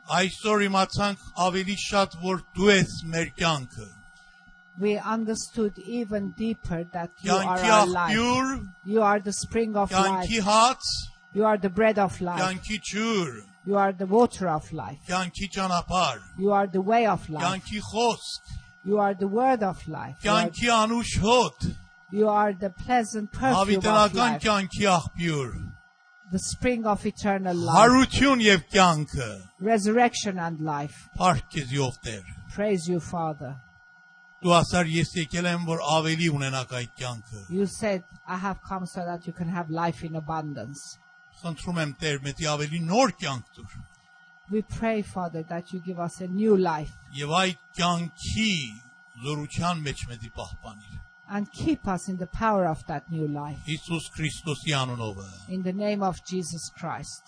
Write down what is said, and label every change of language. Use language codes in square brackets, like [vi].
[hy] Այսօր իմացանք ավելի շատ, որ դու ես մեր կյանքը. [en] We understood even deeper that you are our life. You are the spring of life. You are the bread of life. [hy] Կյանքի ջուր. [en] You are the water of life. [hy] Կյանքի ճանապարհ. [en] You are the way of life. [hy] Կյանքի խոսք. [en] You are the word of life. [hy] Կյանքի անուշ հոտ. [en] You are the pleasant perfume. [hy] Ավիտենական կյանքի աղբյուր. [en] The spring of eternal life. [hy] Հարություն եւ կյանքը. [en] Resurrection and life. [hy] Փառքեզ Յով Տեր. [en] Praise you, Father. [hy] Դու ասար ես եկել եմ որ ավելի ունենաք այդ կյանքը. [en] You said I have come so that you can have life in abundance. [hy] Խնդրում եմ Տեր, մտի ավելի նոր կյանք տուր. [en] We pray, Father, that you give us a new life. And keep us in the power of that new life. In the name of Jesus Christ.